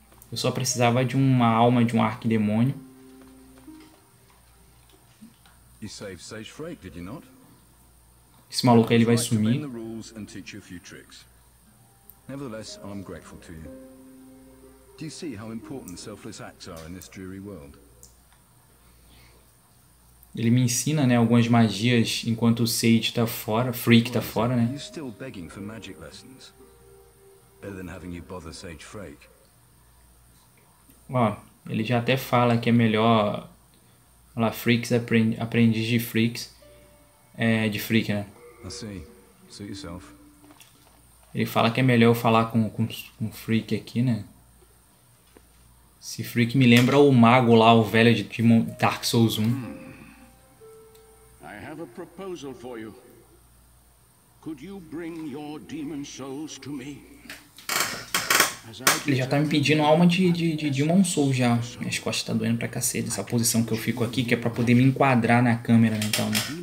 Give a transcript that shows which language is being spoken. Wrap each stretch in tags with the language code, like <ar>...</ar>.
<pt>Eu só precisava de uma alma de um arquidemônio.</pt> <en>You saved Sage Freight, did you not?</en> <pt>Esse maluco aí, ele vai sumir.</pt> <en>The rules and teach you a few tricks. Nevertheless, I'm grateful to you. Do you see how important selfless acts are in this dreary world?</en> <pt>Ele me ensina, né, algumas magias enquanto o Sage tá fora, Freak tá fora, né?</pt> <en>You're still begging for magic lessons. Better than having you bother Sage Freight.</en> <pt>Ó, ele já até fala que é melhor. Olha lá, Freaks, aprendiz de Freaks. É, de Freak, né?</pt> <en>I see. Suit yourself.</en> <pt>Ele fala que é melhor eu falar com Freak aqui, né? Esse Freak me lembra o mago lá, o velho de Dark Souls 1.</pt> <en>I have a proposal for you. Could you bring your demon souls to me?</en> <pt>Ele já tá me pedindo alma de Demon Soul já. Minhas costas tá doendo pra cacete. Essa posição que eu fico aqui, que é pra poder me enquadrar na câmera, né? Então, né?</pt>